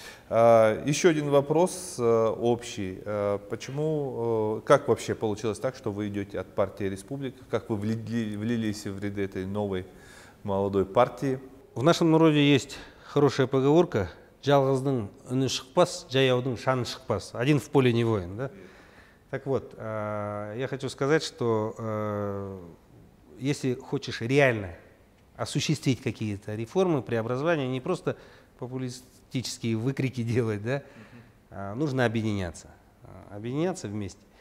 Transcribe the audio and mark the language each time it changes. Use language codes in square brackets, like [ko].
[ru] Еще один вопрос общий. Почему, как вообще получилось так, что вы идете от партии «Республика»? Как вы влились в ряды этой новой молодой партии? В нашем народе есть хорошая поговорка. [kk] «Жалғыздың үні шықпас, жаяудың шаны шықпас». [ru] Один в поле не воин. Да? Так вот, я хочу сказать, что если хочешь реально осуществить какие-то реформы, преобразования, не просто популистические выкрики делать, да, нужно объединяться вместе.